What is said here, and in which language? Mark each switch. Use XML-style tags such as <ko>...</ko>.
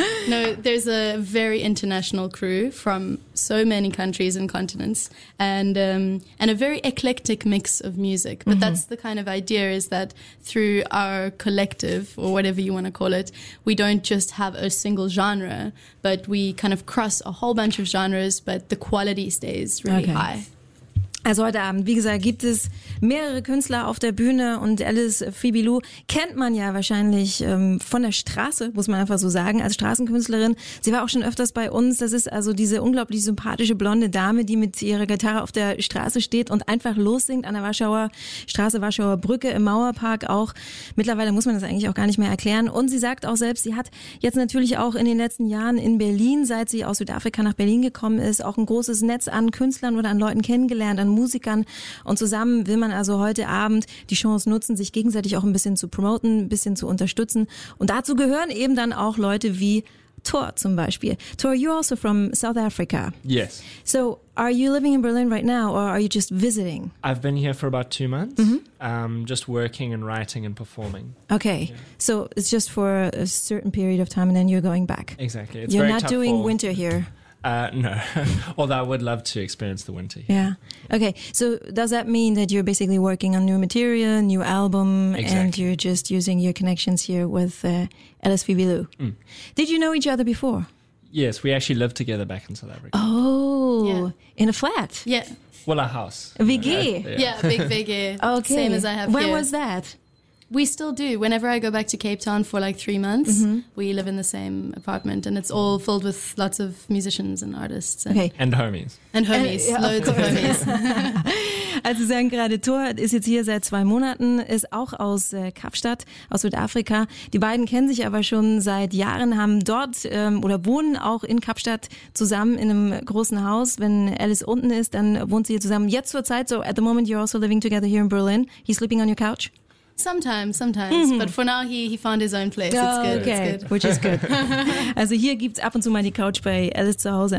<en>No, there's a very international crew from so many countries and continents and a very eclectic mix of music. But that's the kind of idea, is that through our collective, or whatever you want to call it, we don't just have a single genre, but we kind of cross a whole bunch of genres, but the quality stays really high.</en> <de>Also heute Abend, wie gesagt, gibt es mehrere Künstler auf der Bühne und Alice Phoebe Lou kennt man ja wahrscheinlich von der Straße, muss man einfach so sagen, als Straßenkünstlerin. Sie war auch schon öfters bei uns. Das ist also diese unglaublich sympathische blonde Dame, die mit ihrer Gitarre auf der Straße steht und einfach lossingt an der Warschauer Straße, Warschauer Brücke im Mauerpark auch. Mittlerweile muss man das eigentlich auch gar nicht mehr erklären. Und sie sagt auch selbst, sie hat jetzt natürlich auch in den letzten Jahren in Berlin, seit sie aus Südafrika nach Berlin gekommen ist, auch ein großes Netz an Künstlern oder an Leuten kennengelernt, Musikern, und zusammen will man also heute Abend die Chance nutzen, sich gegenseitig auch ein bisschen zu promoten, ein bisschen zu unterstützen, und dazu gehören eben dann auch Leute wie Tor zum Beispiel.</de> <en>Tor, you're also from South Africa. Yes. So, are you living in Berlin right now or are you just visiting? I've been here for about 2 months, just working and writing and performing. Okay, yeah. So it's just for a certain period of time and then you're going back. Exactly. It's you're not doing winter here. No, although I would love to experience the winter here. Yeah. Okay, so does that mean that you're basically working on new material, new album, exactly, and you're just using your connections here with Alice Phoebe Lou? Mm. Did you know each other before? Yes, we actually lived together back in South Africa. Oh, yeah. In a flat? Yeah. Well, a house. A big gear. Yeah, big gear. Okay. Same as I have here. When was that? We still do. Whenever I go back to Cape Town for like 3 months, we live in the same apartment and it's all filled with lots of musicians and artists. And homies. And homies. Loads of homies.</en> <de>Also Sie sagen gerade, Tor ist jetzt hier seit 2 Monaten, ist auch aus Kapstadt, aus Südafrika. Die beiden kennen sich aber schon seit Jahren, haben dort oder wohnen auch in Kapstadt zusammen in einem großen Haus. Wenn Alice unten ist, dann wohnt sie hier zusammen. Jetzt zur Zeit,</de> <en>so at the moment you're also living together here in Berlin. He's sleeping on your couch? Sometimes. But for now, he found his own place. Oh, it's good. Okay. It's good. Which is good.</en> <de>Also hier gibt's ab und zu mal die Couch bei Alice zu Hause.</de>